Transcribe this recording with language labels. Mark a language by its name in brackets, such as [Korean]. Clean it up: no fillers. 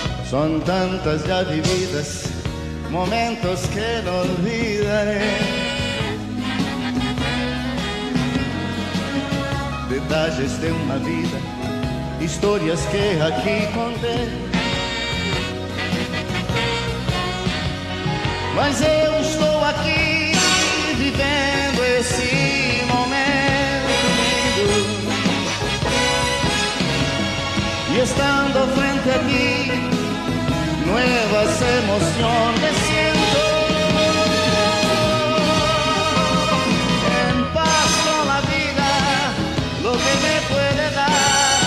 [Spanish] Son tantas ya vividas, momentos que no olvidaré. Detalles de una vida, historias que aquí conté. [Portuguese] Mas eu estou aqui vivendo esse momento lindo. E estando frente a ti, [Spanish] nuevas emociones siento. En paz con la vida, lo que me puede dar.